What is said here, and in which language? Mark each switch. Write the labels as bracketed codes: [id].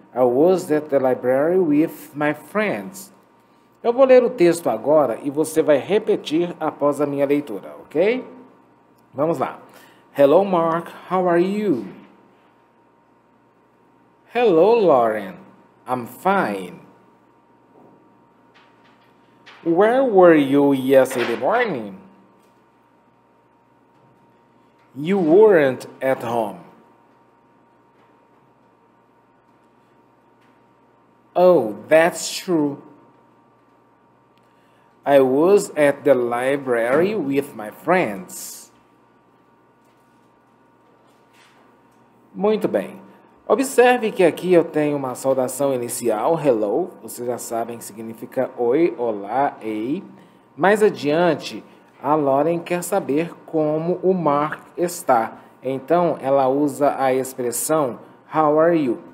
[en] I was at the library with my friends. [pt] Eu vou ler o texto agora e você vai repetir após a minha leitura, ok? Vamos lá. [en] Hello, Mark. How are you? Hello, Lauren. I'm fine. Where were you yesterday morning? You weren't at home. Oh, that's true. I was at the library with my friends. [pt] Muito bem. Observe que aqui eu tenho uma saudação inicial, hello. Vocês já sabem que significa oi, olá, ei. Mais adiante, a Lauren quer saber como o Mark está. Então, ela usa a expressão [en] how are you.